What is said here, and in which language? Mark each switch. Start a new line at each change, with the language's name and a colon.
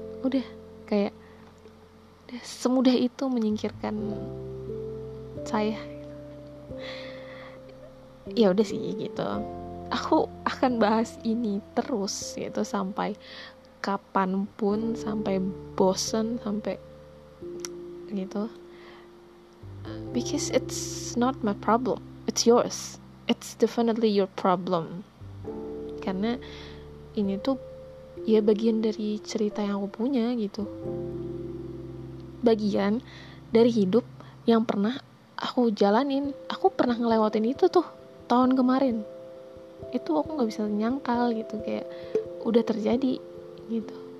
Indonesian: Udah, kayak udah semudah itu menyingkirkan saya. Ya udah sih gitu. Aku akan bahas ini terus gitu sampai kapanpun, sampai bosen, sampai gitu.
English: Because it's not my problem, it's yours. It's definitely your problem.
Indonesian: Karena ini tuh ya bagian dari cerita yang aku punya gitu. Bagian dari hidup yang pernah aku jalanin. Aku pernah ngelewatin itu tuh tahun kemarin. Itu aku gak bisa nyangkal gitu, kayak udah terjadi gitu.